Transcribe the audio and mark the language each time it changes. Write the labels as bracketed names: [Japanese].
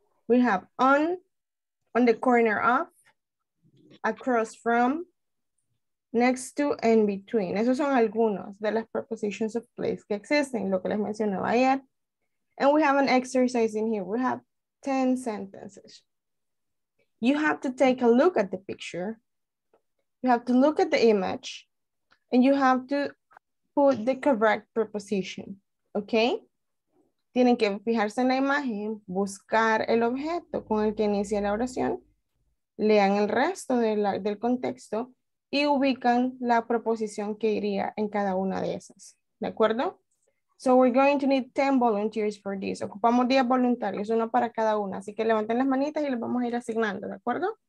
[English] We have on the corner of, across from, next to, and between. [Spanish] Esos son algunos de las [English] prepositions of place [Spanish] que existen, lo que les mencionaba ayer. [English] And we have an exercise in here. We have 10 sentences. You have to take a look at the picture. You have to look at the image and you have to put the correct preposition, okay? [Spanish] Tienen que fijarse en la imagen, buscar el objeto con el que inicia la oración, lean el resto de la, del contexto y ubican la preposición que iría en cada una de esas, ¿de acuerdo? [English] So we're going to need 10 volunteers for this. [Spanish] Ocupamos 10 voluntarios, uno para cada una. Así que levanten las manitas y les vamos a ir asignando, ¿de acuerdo?